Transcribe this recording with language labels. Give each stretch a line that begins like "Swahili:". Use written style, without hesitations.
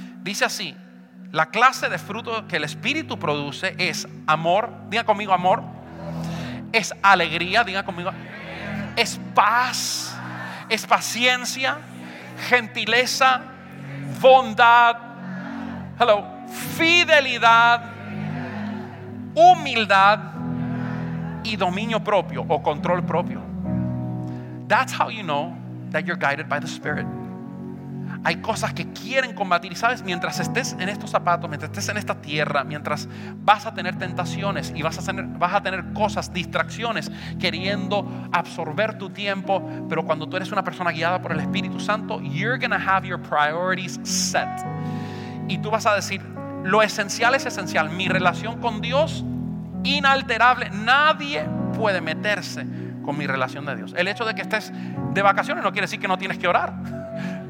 Spanish: Dice así: la clase de fruto que el Espíritu produce es amor, diga conmigo amor, es alegría, diga conmigo, es paz, es paciencia, gentileza, bondad, hello, fidelidad, humildad y dominio propio o control propio.
English: That's how you know that you're guided by the Spirit.
Spanish: Hay cosas que quieren combatir, y sabes, mientras estés en estos zapatos, mientras estés en esta tierra, mientras vas a tener tentaciones y vas a tener cosas, distracciones, queriendo absorber tu tiempo. Pero cuando tú eres una persona guiada por el Espíritu Santo,
English: you're gonna have your priorities set,
Spanish: y tú vas a decir: lo esencial es esencial, mi relación con Dios inalterable, nadie puede meterse con mi relación de Dios. El hecho de que estés de vacaciones no quiere decir que no tienes que orar.